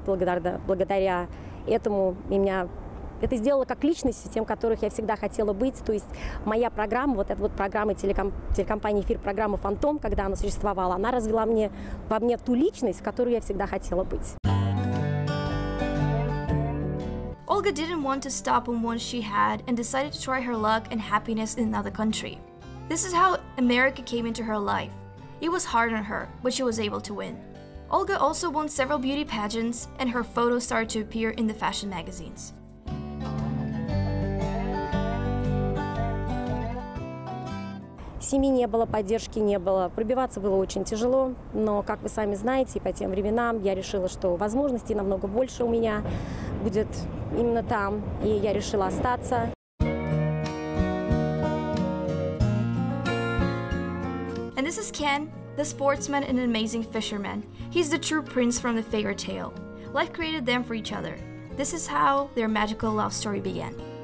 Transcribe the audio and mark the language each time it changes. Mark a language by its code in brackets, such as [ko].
[ru] Благодаря этому меня это сделало как личность, тем, которых я всегда хотела быть. То есть моя программа, вот эта вот программа телекомпании «Эфир», программа «Фантом», когда она существовала, она развела во мне ту личность, которую я всегда хотела быть. [en] Olga didn't want to stop on what she had and decided to try her luck and happiness in another country. This is how America came into her life. It was hard on her, but she was able to win. Olga also won several beauty pageants, and her photos started to appear in the fashion magazines. [ru] Семьи не было, поддержки не было. Пробиваться было очень тяжело, но, как вы сами знаете, по тем временам я решила, что возможностей намного больше у меня будет именно там, и я решила остаться. [en] And this is Ken, the sportsman and amazing fisherman. He's the true prince from the fairy tale. Life created them for each other. This is how their magical love story began.